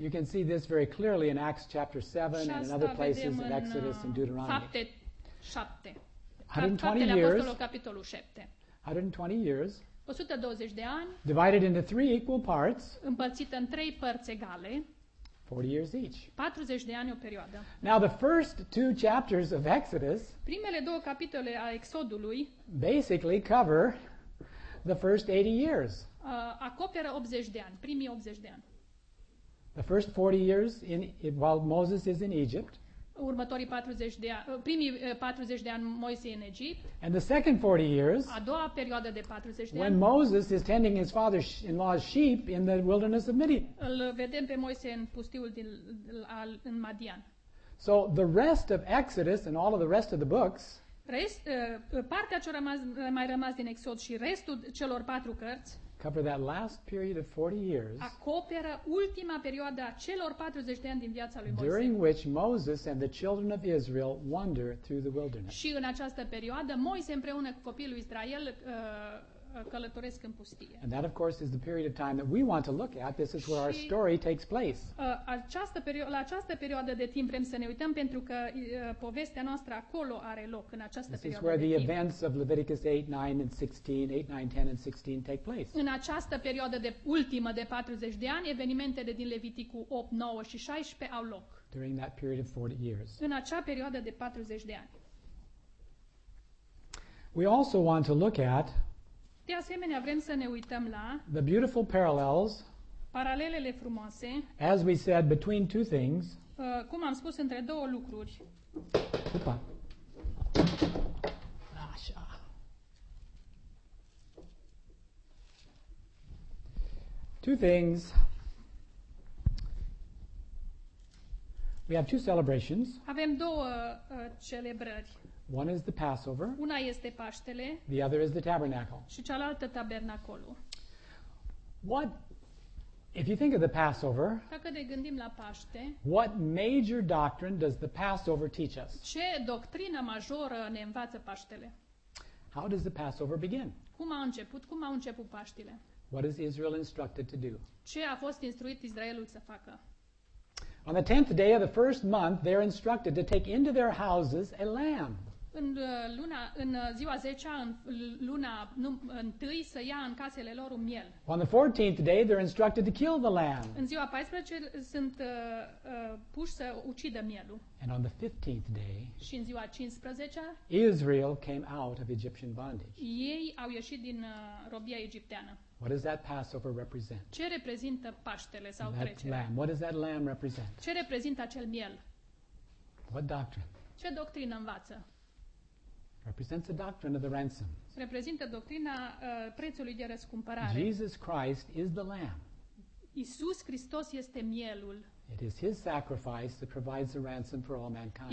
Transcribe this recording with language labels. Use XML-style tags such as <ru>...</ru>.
<en>You can see this very clearly in Acts chapter 7 and in other places in Exodus and Deuteronomy.</en> <ro>Fapte 7.</ro> <en>120</en> <ro>years. Apostolul capitolul 7.</ro> <en>120 years.</en> <ro>120 de ani.</ro> <en>Divided into three equal parts.</en> <ro>Împărțită în trei părți egale.</ro> <en>40 years each.</en> <ro>40 de ani o perioadă.</ro> <en>Now the first two chapters of Exodus.</en> <ro>Primele două capitole a Exodului</ro> <en>basically cover the first 80 years.</en> <ro>Acoperă 80 de ani, primii 80 de ani.</ro> <en>The first 40 years in while Moses is in Egypt.</en> <ro>Următorii 40 de ani, primii 40 de ani Moise în Egipt.</ro> <en>And the second 40 years.</en> <ro>A doua perioadă de 40 de ani.</ro> <en>When Moses is tending his father-in-law's sheep in the wilderness of Midian.</en> <ro>Îl vedem pe Moise în pustiul din în Madian.</ro> <en>So the rest of Exodus and all of the rest of the books.</en> <ro>Partea ce a mai rămas din Exod și restul celor patru cărți</ro> <en>cover that last period of 40 years,</en> <ro>acoperă ultima perioadă a celor 40 de ani din viața lui Moise,</ro> <en>during which Moses and the children of Israel wander through the wilderness.</en> <ro>Și în această perioadă Moise împreună cu copiii lui Israel călătoresc în pustie.</ro> <en>And that, of course, is the period of time that we want to look at. This is where our story takes place.</en> <ro>La această perioadă de timp vrem să ne uităm, pentru că povestea noastră acolo are loc, în această perioadă de timp.</ro> <en>This is where the events of Leviticus 8, 9, and 16, 8, 9, 10, and 16 take place.</en> <ro>În această perioadă de ultimă de 40 de ani, evenimentele din Leviticul 8, 9 și 16 au loc.</ro> <en>During that period of 40 years.</en> <ro>În acea perioadă de 40 de ani.</ro> <en>We also want to look at</en> <ro>de asemenea, vrem să ne uităm la</ro> <en>the beautiful parallels,</en> <ro>paralelele frumoase,</ro> <en>as we said, between two things,</en> <ro>cum am spus, între două lucruri. Opa. Așa.</ro> <en>Two things. We have two celebrations.</en> <ro>Avem două celebrări.</ro> <en>One is the Passover.</en> <ro>Una este Paștele.</ro> <en>The other is the Tabernacle.</en> <ro>Și cealaltă Tabernacolul.</ro> <en>What, if you think of the Passover,</en> <ro>dacă ne gândim la Paște,</ro> <en>what major doctrine does the Passover teach us?</en> <ro>Ce doctrină majoră ne învață Paștele?</ro> <en>How does the Passover begin?</en> <ro>Cum a început Paștele?</ro> <en>What is Israel instructed to do?</en> <ro>Ce a fost instruit Israelul să facă?</ro> <en>On the 10th day of the first month, they're instructed to take into their houses a lamb.</en> <ro>În luna, în ziua 10-a, în luna 1-i, să ia în casele lor un miel.</ro> <en>On the 14th day, they're instructed to kill the lamb.</en> <ro>În ziua 14 sunt puși să ucidă mielul.</ro> <en>And on the 15th day,</en> <ro>și în ziua 15-a,</ro> <en>Israel came out of Egyptian bondage.</en> <ro>Ei au ieșit din robia egipteană.</ro> <en>What does that Passover represent?</en> <ro>Ce reprezintă Paștele sau</ro> <en>that</en> <ro>trecerea?</ro> <en>Lamb. What does that lamb represent?</en> <ro>Ce reprezintă acel miel?</ro> <en>What doctrine?</en> <ro>Ce doctrină învață?</ro> <en>Represents the doctrine of the ransom.</en> <ro>Reprezintă doctrina prețului de răscumpărare.</ro> <en>Jesus Christ is the lamb.</en> <ro>Iisus Hristos este mielul.</ro> <en>It is his sacrifice that provides a ransom for all mankind.</en>